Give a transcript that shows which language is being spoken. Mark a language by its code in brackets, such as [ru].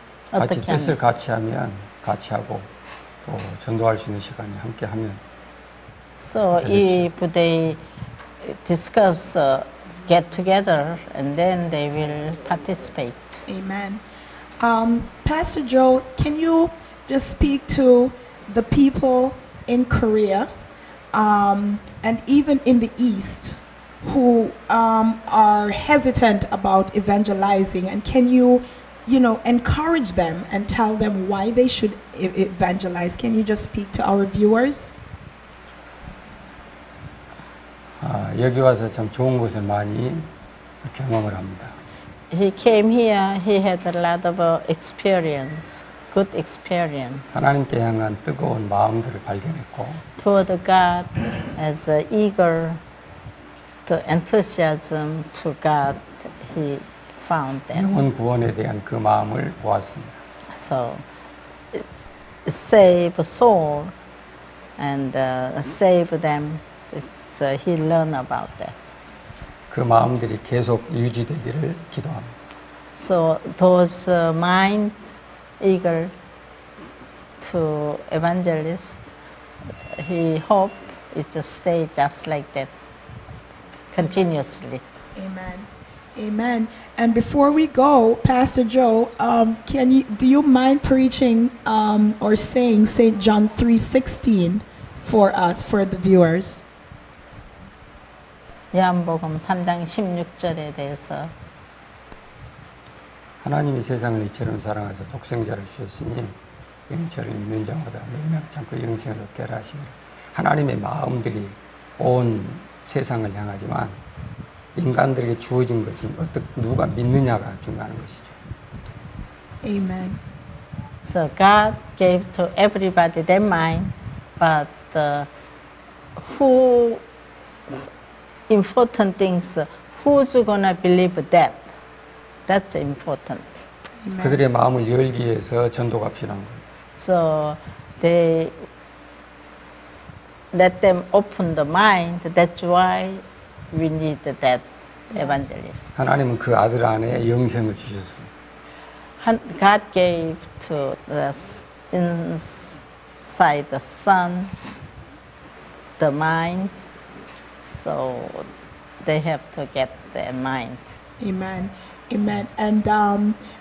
[ko] 같이 뜻을 같이 하면 같이 하고 또 전도할 수 있는 시간에 함께 하면. [en] So [ko] 되겠죠. [en] If they discuss, get together, and then they will participate. Amen. Pastor Joe, can you just speak to the people in Korea, and even in the East? Who are hesitant about evangelizing, and can you, you know, encourage them and tell them why they should evangelize? Can you just speak to our viewers? [ko] 여기 와서 참 좋은 것을 많이 경험을 합니다. [en] He came here. He had a lot of experience, good experience. [ko] 하나님께 향한 뜨거운 마음들을 발견했고. [en] Toward God as an eager. The enthusiasm to God, he found them. [ko] 영혼 구원에 대한 그 마음을 보았습니다. [en] So, save soul and save them. So he learned about that. [ko] 그 마음들이 계속 유지되기를 기도합니다. [en] So those mind eager to evangelist, he hope it to stay just like that. Continuously. Amen. Amen. And before we go, Pastor Joe, do you mind preaching or saying St. John 3:16 for us, for the viewers? [ko] 요한복음 3장 16절에 대해서 하나님이 세상을 이처럼 사랑하사 독생자를 주셨으니 이는 저를 믿는 자마다 영생을 얻고 영생을 얻게 하시니라. 하나님의 마음들이 온 세상을 향하지만 인간들에게 주어진 것은 어떻게 누가 믿느냐가 중요한 것이죠. [en] Amen. So God gave to everybody their mind, but who important things, who's gonna believe that? That's important. Amen. [ko] 그들의 마음을 열기 위해서 전도가 필요한 거예요. [en] So they let them open the mind. That's why we need that evangelist. [ko] 하나님은 그 아들 안에 영생을 주셨어요. [en] God gave to us inside the Son the mind, so they have to get their mind. Amen, amen, and.